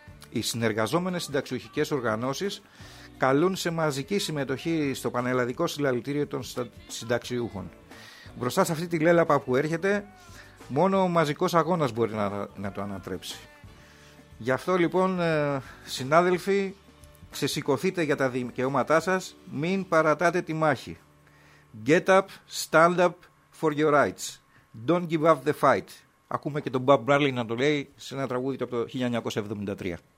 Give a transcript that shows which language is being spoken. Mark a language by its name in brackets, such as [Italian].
[Greek] Οι συνεργαζόμενες συνταξιουχικές οργανώσεις καλούν σε μαζική συμμετοχή στο Πανελλαδικό Συλλαλητήριο των Συνταξιούχων. Μπροστά σε αυτή τη λέλαπα που έρχεται, μόνο ο μαζικός αγώνας μπορεί να το ανατρέψει. Γι' αυτό λοιπόν, συνάδελφοι, ξεσηκωθείτε για τα δικαιώματά σας, μην παρατάτε τη μάχη. [English] Get up, stand up for your rights. Don't give up the fight. [Greek] Ακούμε και τον Bob Marley να το λέει σε ένα τραγούδι από το 1973.